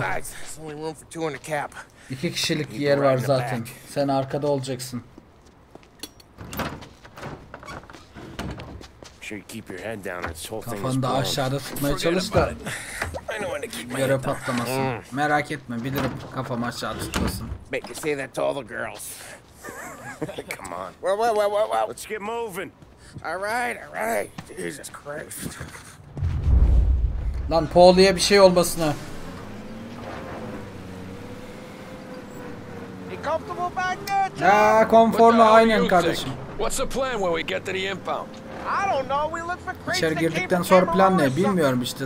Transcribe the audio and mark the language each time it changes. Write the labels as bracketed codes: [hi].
[en] There's only room for two in a cap. [tr] İki kişilik yer var zaten. Sen arkada olacaksın. [en] Sure you keep your head down. This whole thing is [tr] kafanı da aşağıda tutmaya çalış da yere patlamasın. Merak etme, bilirim kafamı aşağı tutmasın. [en] Make you say that to all the girls. Come on. Well. Let's get moving. All right. Jesus Christ. [tr] Lan Paul'a bir şey olmasına. [en] comfortable back there, Tom? Yeah, [tr] konforlu aynen kardeşim. [en] What's the plan when we get to the impound? I don't know. We look for crates. [tr] İçeri girdikten sonra plan ne bilmiyorum işte.